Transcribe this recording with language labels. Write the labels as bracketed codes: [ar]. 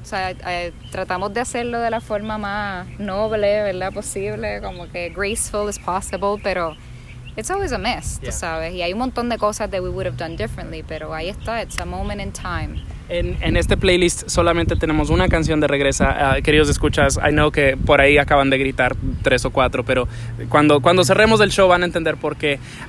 [es] O sea, tratamos de hacerlo de la forma más noble, ¿verdad? [en] Posible, como que graceful as possible, pero it's always a mess, tú sabes. Y hay un montón de cosas that we would have done differently, pero ahí está, it's a moment in time. [es] En este playlist solamente tenemos una canción de regresa. Queridos escuchas, I know que por ahí acaban de gritar tres o cuatro, pero cuando cerremos el show van a entender por qué.